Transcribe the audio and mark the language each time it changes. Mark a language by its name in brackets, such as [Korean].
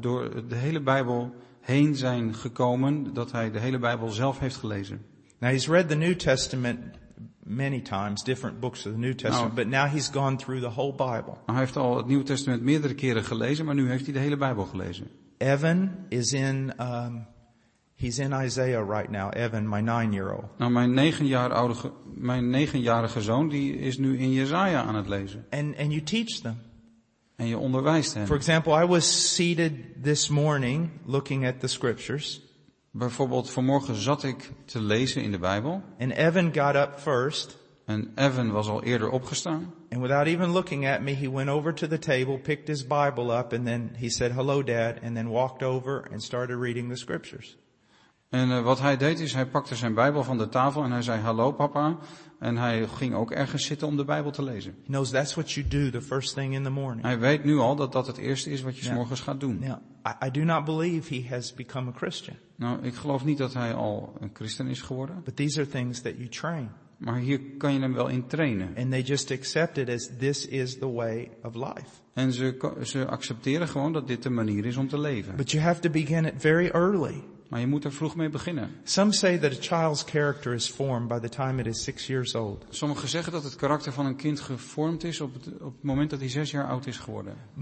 [Dutch] Door de hele Bijbel heen zijn gekomen, dat hij de hele Bijbel zelf heeft gelezen. [English] Now, he's read the New Testament many times, different books of the New Testament, but now he's gone through the whole Bible. [Dutch] Hij heeft al het Nieuwe Testament meerdere keren gelezen, maar nu heeft hij de hele Bijbel gelezen. [English] Evan is in, he's in Isaiah right now. Evan, my 9-year-old. [Dutch] Nou, mijn 9-jarige zoon, die is nu in Jesaja aan het lezen. [English] And you teach them. [Dutch] En je onderwijst hen. [English] For example, I was seated this morning looking at the scriptures. [Dutch] Bijvoorbeeld vanmorgen zat ik te lezen in de Bijbel. [English] And Evan got up first. [Dutch] En Evan was al eerder opgestaan. [English] And without even looking at me, he went over to the table, picked his Bible up, and then he said, "Hello, Dad," and then walked over and started reading the scriptures. [Dutch] En wat hij deed is, hij pakte zijn Bijbel van de tafel en hij zei, "Hallo, papa," en hij ging ook ergens zitten om de Bijbel te lezen. [English] He knows that's what you do the first thing in the morning. [Dutch] Hij weet nu al dat dat het eerste is wat je 's morgens gaat doen. [English] Now, I do not believe he has become a Christian. [Dutch] Nou, ik geloof niet dat hij al een christen is geworden. [English] But these are things that you train. [Dutch] Maar hier kan je hem wel in trainen. [English] And they just accept it as this is the way of life. [Dutch] En ze accepteren gewoon dat dit de manier is om te leven. [English] But you have to begin it very early. [Dutch] Maar je moet er vroeg mee beginnen. [English] Some say that a child's character is formed by the time it is 6 years old. [Dutch] Sommigen zeggen dat het karakter van een kind gevormd is op het moment dat hij 6 jaar oud is geworden.